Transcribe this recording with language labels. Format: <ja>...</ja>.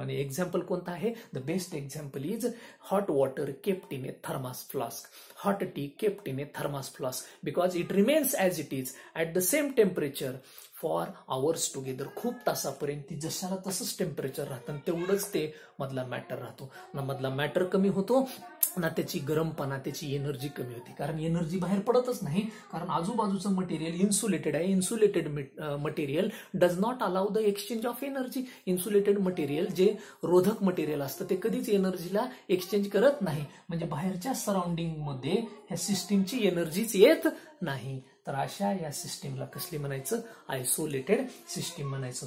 <mr>आणि एक्झाम्पल कोणतं आहे,</mr> <en>The best example is hot water kept in a thermos flask, hot tea kept in a thermos flask, because it remains as it is at the same temperature for hours together.</en> <mr>खूप तासापर्यंत ती जशाला तसंच temperature राहतं आणि तेवढंच ते मधला matter राहतो ना, मधला मॅटर कमी होतो ना त्याची गरमपणा, त्याची एनर्जी कमी होती, कारण एनर्जी बाहेर पडतच नाही, कारण आजूबाजूचं मटेरियल इन्सुलेटेड आहे.</mr> <en>Insulated material does not allow the exchange of energy.</en> <mr>Insulated material जे रोधक मटेरियल असतं ते कधीच एनर्जीला एक्सचेंज करत नाही, म्हणजे बाहेरच्या सराउंडिंगमध्ये ह्या सिस्टीमची एनर्जीच येत नाही. तर अशा या सिस्टीमला कसली म्हणायचं, आयसोलेटेड सिस्टीम म्हणायचं.</mr>